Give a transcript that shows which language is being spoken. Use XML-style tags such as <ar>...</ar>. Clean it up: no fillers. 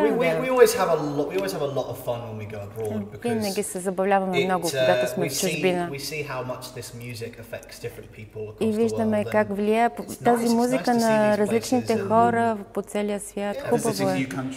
<en>We always have a lot of fun when we go abroad because</en> <bg>винаги се забавляваме много, когато сме в чужбина.</bg> <en>We see how much this music affects different people across the world.</en> <bg>И виждаме как влияе тази музика на различните хора по целия свят. Хубаво е.</bg>